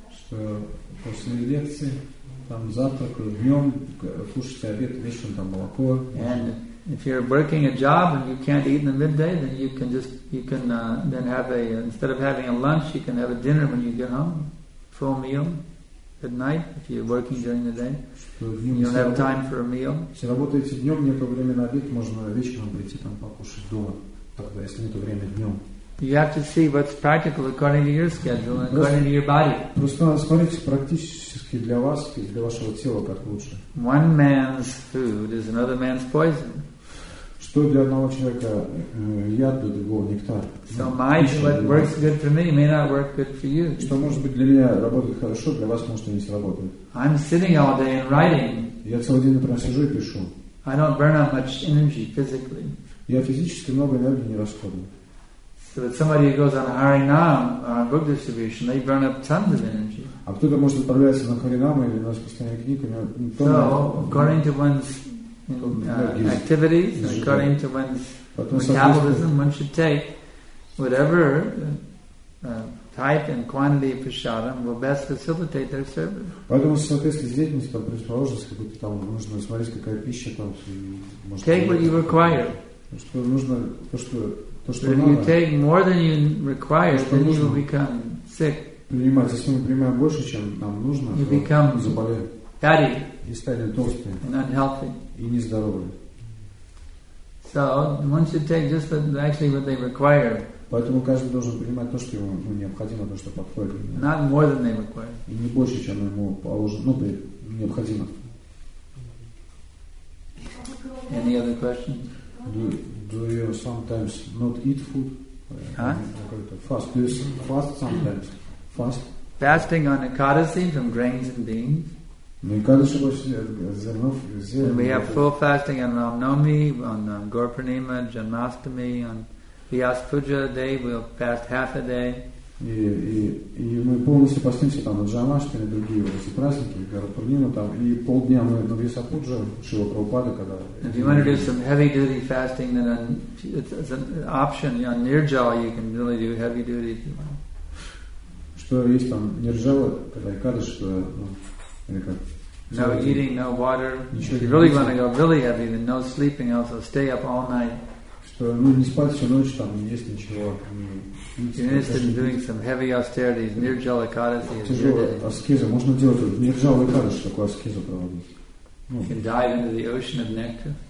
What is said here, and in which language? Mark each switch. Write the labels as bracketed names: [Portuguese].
[English] And if you're working a job and you can't eat in the midday, then instead of having a lunch, you can have a dinner when you get home, full meal. At night, if you're working during the day, you don't have time for a meal. [Russian] Если работаете днем, нет времени на обед, можно вечером прийти там покушать дома. Тогда, если нет времени днем. [English] You have to see what's practical according to your schedule and according to your body. [Russian] Просто смотрите практически для вас и для вашего тела как лучше. [English] One man's food is another man's poison. [Russian] Что для одного человека яд, для другого нектар. [English] So my what works good for me may not work good for you. [Russian] Что может быть для меня работает хорошо, для вас может не сработать. [English] I'm sitting all day and writing. [Russian] Я целый день, например, сижу и пишу. [English] I don't burn out much energy physically. [Russian] Я физически много энергии не расходую. [English] So that somebody who goes on Harinam or on book distribution, they burn up tons of energy. [Russian] А кто-то может отправляться на Харинам или на распространение книг, у него. [English] So according to one's activities, according to one's metabolism, one should take whatever type and quantity of prasadam will best facilitate their service. [Russian] Поэтому соответствует деятельность, там предположить, какую-то там нужно смотреть, какая пища там. [English] Take what you require. [Russian] Что нужно, то что надо. [English] If you take more than you require, then you will become sick. [Russian] Принимать, если мы принимаем больше, чем нам нужно, [English] you become [Russian] заболеем. [English] Fatty and unhealthy. So one should take just what they require. [Russian] Поэтому каждый должен принимать то, что ему необходимо, то, что подходит. [English] Not more than they require. [Russian] И не больше, чем ему положено, необходимо. [English] Any other question? Do you sometimes not eat food? Fast. Do you fast sometimes? Fast. Fasting on Ekadasi from grains and beans. And we have full fasting on Ram Navami, on Gaur Purnima, Janmashtami, on Vyas Puja day, we'll fast half a day. [Russian] И мы полностью постимся там на Джамаштане, другие вот эти праздники, Гарупурнину там, и полдня мы на Весапуджа, Шрила Прабхупада, когда... [English] If you want to do some heavy duty fasting, then on, it's an option, on Nirjala you can really do heavy duty if you want. [Russian] Что есть там Нирджала, когда Экадыш, что... Ну, или как, [English] no eating, no water. If you really want to go really heavy, then no sleeping, also stay up all night. [Russian] Что, ну, не спать всю ночь, там, не есть ничего. Аскеза, можно делать вот, нирджала экадаши, такую аскезу проводить. [English] Ну, you can dive into the ocean of nectar.